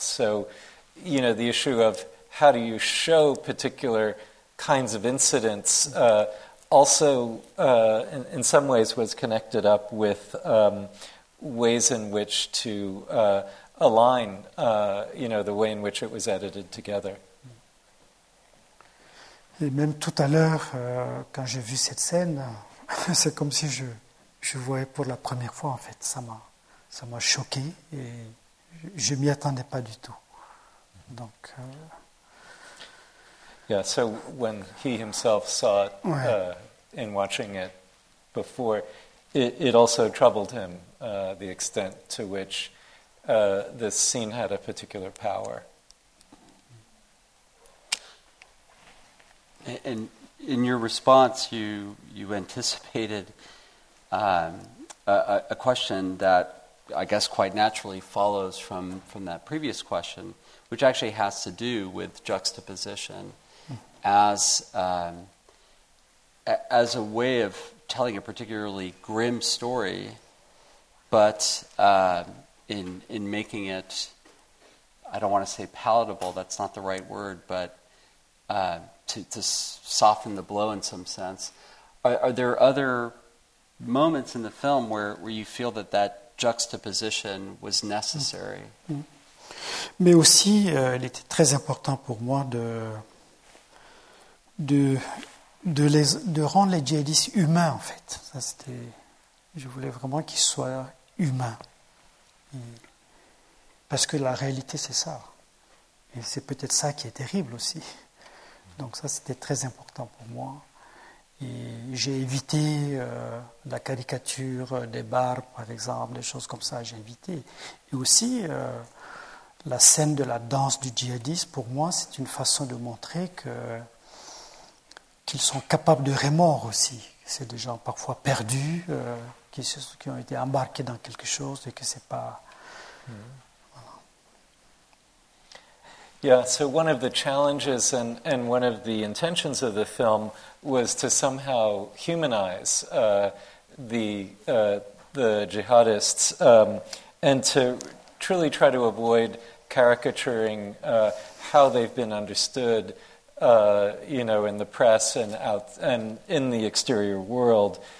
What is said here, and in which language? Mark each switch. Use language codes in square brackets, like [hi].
[en] So, you know, the issue of how do you show particular kinds of incidents also, in some ways, was connected up with ways in which to align, the way in which it was edited together. [fr] Et même tout à l'heure, quand j'ai vu cette scène, c'est comme si je voyais pour la première fois, en fait. Ça m'a choqué et je m'y attendais pas du tout. Donc. [en] So when he himself saw it. Ouais. In watching it before, it also troubled him, the extent to which this scene had a particular power. And in your response, you anticipated a question that I guess quite naturally follows from that previous question, which actually has to do with juxtaposition as... as a way of telling a particularly grim story, but in making it, I don't want to say palatable, that's not the right word, but to soften the blow in some sense. Are there other moments in the film where you feel that juxtaposition was necessary? Mm-hmm. [fr] Mais aussi, il était très important pour moi de rendre les djihadistes humains, en fait. Ça, c'était... Je voulais vraiment qu'ils soient humains. Parce que la réalité, c'est ça. Et c'est peut-être ça qui est terrible aussi. Donc ça, c'était très important pour moi. Et j'ai évité la caricature des barres, par exemple, des choses comme ça, j'ai évité. Et aussi, la scène de la danse du djihadiste, pour moi, c'est une façon de montrer qu'ils sont capables de remords aussi. C'est des gens parfois perdus, qui ont été embarqués dans quelque chose et que c'est pas... Mm-hmm. Voilà. [en] Yeah, so one of the challenges and one of the intentions of the film was to somehow humanize the jihadists and to truly try to avoid caricaturing how they've been understood in the press and out and in the exterior world.